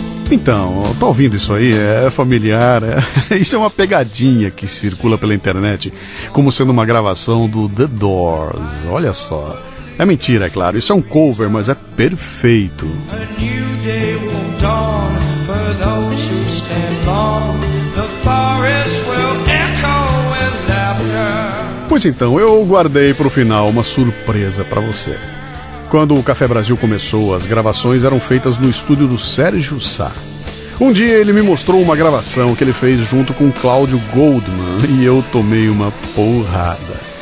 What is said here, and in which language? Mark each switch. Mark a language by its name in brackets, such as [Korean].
[Portuguese] Então, tá ouvindo isso aí? É familiar, é? Isso é uma pegadinha que circula pela internet, como sendo uma gravação do The Doors. Olha só. É mentira, é claro. Isso é um cover, mas é perfeito. [English] A new day won't dawn for those who stand long. The forest will echo with laughter. [Portuguese] Pois então, eu guardei para o final uma surpresa para você. Quando o Café Brasil começou, as gravações eram feitas no estúdio do Sérgio Sá. Um dia ele me mostrou uma gravação que ele fez junto com Cláudio Goldman e eu tomei uma porrada.